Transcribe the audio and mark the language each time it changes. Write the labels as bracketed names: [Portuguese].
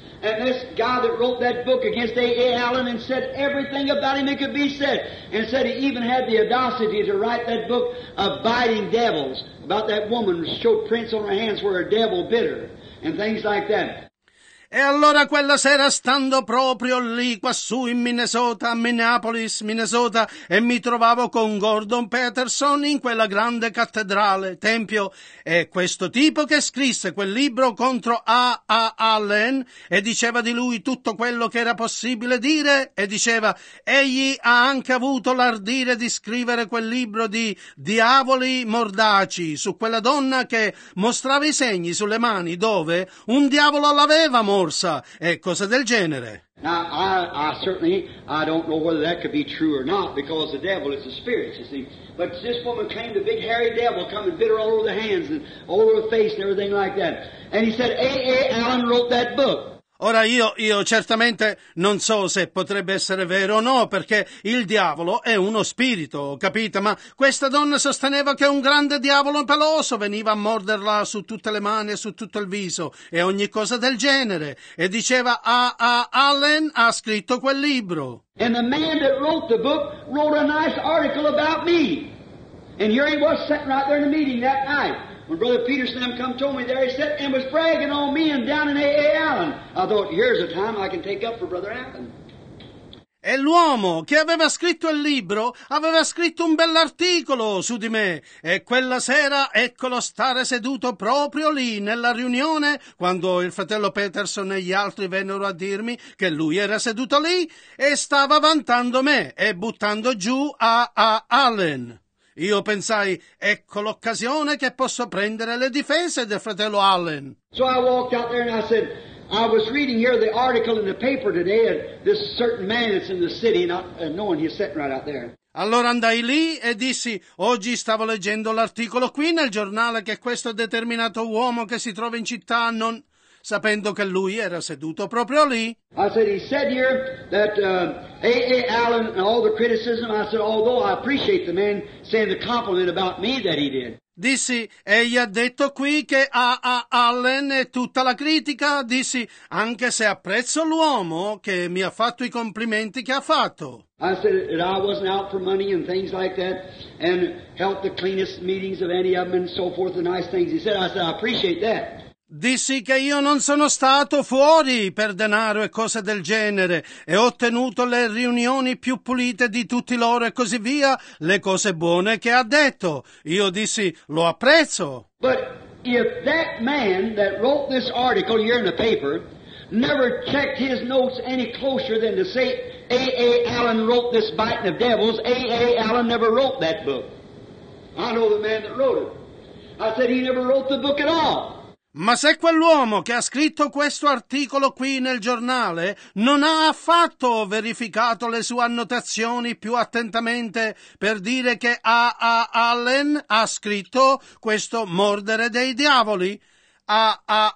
[English] And this guy that wrote that book against A.A. Allen and said everything about him that could be said, and said he even had the audacity to write that book, Abiding Devils, about that woman who showed prints on her hands where a devil bit her, and things like that. [Italian] E allora quella sera, stando proprio lì, quassù in Minnesota, a Minneapolis, Minnesota, e mi trovavo con Gordon Peterson in quella grande cattedrale, tempio, e questo tipo che scrisse quel libro contro A.A. Allen, e diceva di lui tutto quello che era possibile dire, e diceva, egli ha anche avuto l'ardire di scrivere quel libro di diavoli mordaci, su quella donna che mostrava i segni sulle mani dove un diavolo l'aveva morsa e cose del genere. [English] Now, I certainly don't know whether that could be true or not, because the devil is a spirit, you see. But this woman claimed a big hairy devil come and bit her all over the hands and all over the face and everything like that. And he said, A.A. Allen wrote that book. [Italian] Ora io certamente non so se potrebbe essere vero o no, perché il diavolo è uno spirito, capite? Ma questa donna sosteneva che un grande diavolo peloso veniva a morderla su tutte le mani e su tutto il viso e ogni cosa del genere, e diceva A.A. Allen ha scritto quel libro. [English] And the man that wrote the book wrote a nice article about me. And here he was sitting right there in the meeting that night. When Brother Peterson come told me there, he said, and was bragging on me and down in A.A. Allen. I thought, here's a time I can take up for Brother Allen. [Italian] E l'uomo che aveva scritto il libro aveva scritto un bell'articolo su di me, e quella sera eccolo stare seduto proprio lì nella riunione, quando il fratello Peterson e gli altri vennero a dirmi che lui era seduto lì e stava vantando me e buttando giù A.A. Allen. Io pensai, ecco l'occasione che posso prendere le difese del fratello Allen. [English] So I walked out there and I said, I was reading here the article in the paper today of this certain man that's in the city, not knowing he's sitting right out there. [Italian] Allora andai lì e dissi, oggi stavo leggendo l'articolo qui nel giornale che questo determinato uomo che si trova in città, non sapendo che lui era seduto proprio lì. [English] I said, he said here that A.A. Allen and all the criticism, I said, although I appreciate the man saying the compliment about me that he did. [Italian] Dissi, egli ha detto qui che A.A. Allen e tutta la critica, dissi, anche se apprezzo l'uomo che mi ha fatto i complimenti che ha fatto. [English] I said that I wasn't out for money and things like that, and helped the cleanest meetings of any of them and so forth, the nice things. I said, I appreciate that. [Italian] Dissi che io non sono stato fuori per denaro e cose del genere, e ho tenuto le riunioni più pulite di tutti loro e così via, le cose buone che ha detto. Io dissi, lo apprezzo. [English] But if that man that wrote this article here in the paper never checked his notes any closer than to say A.A. Allen wrote this biting of devils, A.A. Allen never wrote that book. I know the man that wrote it. I said he never wrote the book at all. [Italian] Ma se quell'uomo che ha scritto questo articolo qui nel giornale non ha affatto verificato le sue annotazioni più attentamente per dire che A.A. Allen ha scritto questo mordere dei diavoli, A.A.